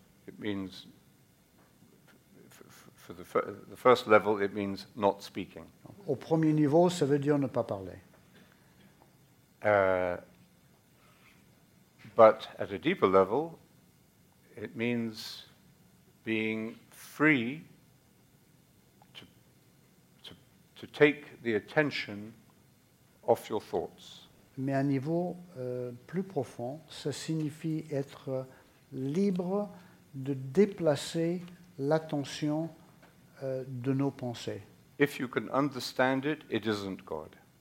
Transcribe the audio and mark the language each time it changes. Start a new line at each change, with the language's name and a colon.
English: It means, for the first level, it means not speaking.
French: Au premier niveau, ça veut dire ne pas parler.
English: But at a deeper level, it means being free to take the attention off your thoughts.
French: Mais à un niveau plus profond, ça signifie être libre de déplacer l'attention de nos pensées.
English: If you can understand it, it isn't God.